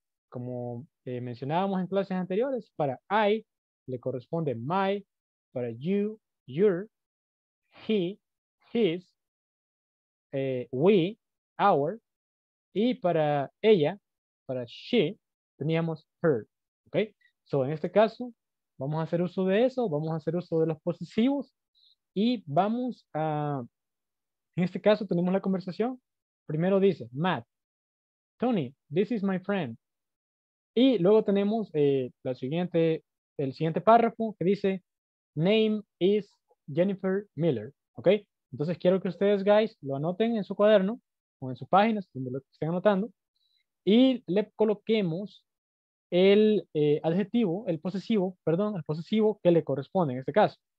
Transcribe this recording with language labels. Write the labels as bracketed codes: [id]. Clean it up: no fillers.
[es] Como mencionábamos en clases anteriores, para I le corresponde my, para you, your, he, his, we, our, y para ella, para she, teníamos her, ¿ok? So, en este caso, vamos a hacer uso de eso, vamos a hacer uso de los posesivos, y vamos a, en este caso, tenemos la conversación. Primero dice, [en] Matt, Tony, this is my friend. [es] Y luego tenemos el siguiente párrafo que dice, [en] name is Jennifer Miller, [es] ¿ok? Entonces, quiero que ustedes, guys, lo anoten en su cuaderno, o en su página, donde lo estén anotando, y le coloquemos el adjetivo, el posesivo, perdón, el posesivo que le corresponde en este caso.